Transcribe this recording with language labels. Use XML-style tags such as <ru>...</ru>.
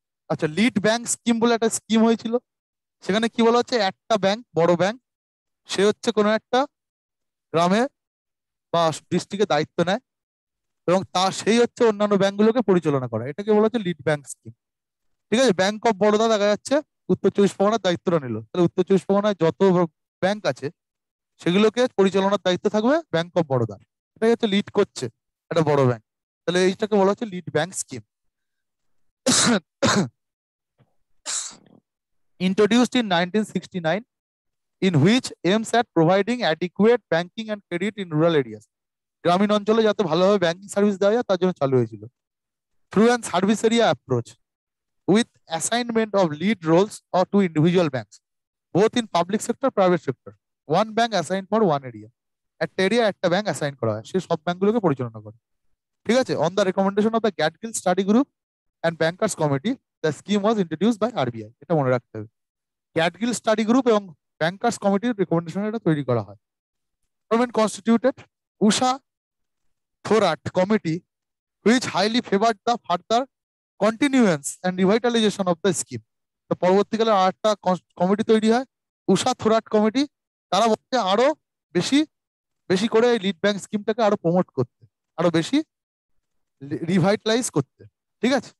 <bn>আচ্ছা, lead bank scheme বলে একটা স্কিম হয়েছিল, সেখানে কি বলা হচ্ছে, একটা ব্যাংক, বড় ব্যাংক, সে হচ্ছে কোনো একটা গ্রামে বা ডিস্ট্রিক্টে দায়িত্ব নেয় এবং তা সেই হচ্ছে অন্যান্য ব্যাংকগুলোকে পরিচালনা করে, এটাকে বলা হচ্ছে লিড ব্যাংক স্কিম, ঠিক আছে? ব্যাংক অফ বরোদা দেখা যাচ্ছে উত্তর চব্বিশ পরগনার দায়িত্বটা নিল, তাহলে উত্তর চব্বিশ পরগনায় যত ব্যাংক আছে সেগুলোকে পরিচালনার দায়িত্ব থাকবে ব্যাংক অফ বরোদার, এটাকে হচ্ছে লিড করছে একটা বড় ব্যাংক, তাহলে এইটাকে বলা হচ্ছে lead bank scheme.</bn> <en>Introduced in 1969, in which aims at providing adequate banking and credit in rural areas.</en> <bn>গ্রামীণ অঞ্চলে যাতে ভালোভাবে ব্যাংকিং সার্ভিস দেওয়া যায় তার জন্য চালু হয়েছিল।</bn> <en>Through an service area approach, with assignment of lead roles or to individual banks, both in public sector, private sector. One bank assigned for one area.</en> <bn>একটা এরিয়া একটা ব্যাংক অ্যাসাইন করা হয়, সে সব ব্যাংকগুলোকে পরিচালনা করে, ঠিক আছে?</bn> <en>On the recommendation of the Gadgil Study Group and Bankers Committee, the scheme was introduced by RBI.</en> <bn>এটা মনে রাখতে হবে, ক্যাটগিল স্টাডি গ্রুপ এবং ব্যাংকার্স কমিটির রেকমেন্ডেশন এটা তৈরি করা হয়।</bn> <en>Government constituted Usha Thorat committee which highly favoured the further continuance and revitalisation of the scheme.</en> <bn>তো পরবর্তীকালে আর একটা কমিটি তৈরি হয়, উষা থোরাট কমিটি, তারা বলছে আরো বেশি বেশি করে এই লিড ব্যাংক স্কিমটাকে আরো প্রমোট করতে, আরো বেশি রিভাইটালাইজ করতে, ঠিক আছে?</bn>